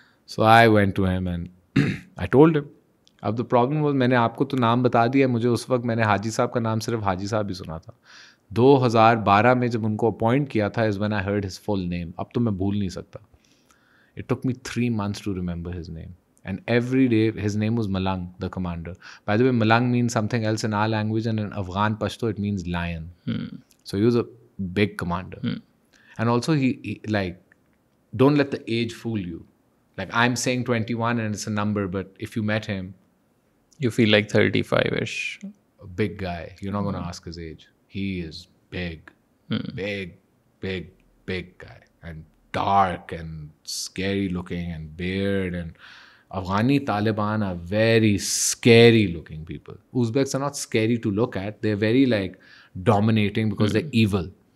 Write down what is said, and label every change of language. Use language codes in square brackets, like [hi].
[en] So I went to him and I told him. [ur] اب the problem was میں نے آپ کو تو نام بتا دیا, مجھے اس وقت میں نے حاجی صاحب کا نام صرف حاجی صاحب ہی سنا تھا. 2012 میں جب ان کو اپوائنٹ کیا تھا [en] Is when I heard his full name. [ur] اب تو میں بھول نہیں سکتا. [en] It took me 3 months to remember his name and every day his name was Malang the commander. By the way Malang means something else in our language and in Afghan Pashto it means lion. So he was a big commander and also he like don't let the age fool you. Like I am seeing 21 and it's a number but if you meet him you feel like 35ish. Big guy, you not gonna ask his age. He is big, big, big, big guy, and dark and scary looking and beard. And Afghani Taliban are very scary looking people. Uzbeks are not scary to look at. They're very like dominating because they're evil.